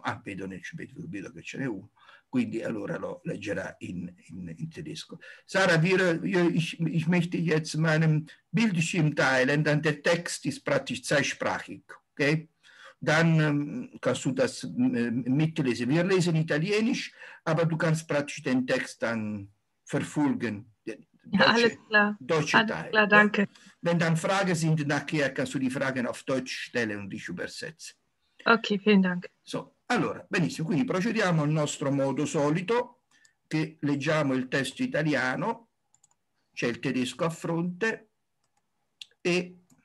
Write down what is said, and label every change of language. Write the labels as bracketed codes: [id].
[it] Ah, vedo che ce n'è uno, quindi allora lo leggerà in tedesco. [de] Sara, ich möchte jetzt meinen Bildschirm teilen, denn der Text ist praktisch zweisprachig. Okay? Dann kannst du das mitlesen. Wir lesen Italienisch, aber du kannst praktisch den Text dann verfolgen, Alles klar, deutsche Teil. Ja? danke. Wenn dann Fragen sind, nachher kannst du die Fragen auf Deutsch stellen und ich übersetze. Okay, vielen Dank. [it] So, allora, benissimo, quindi procediamo al nostro modo solito, che leggiamo il testo italiano, c'è il tedesco a fronte e...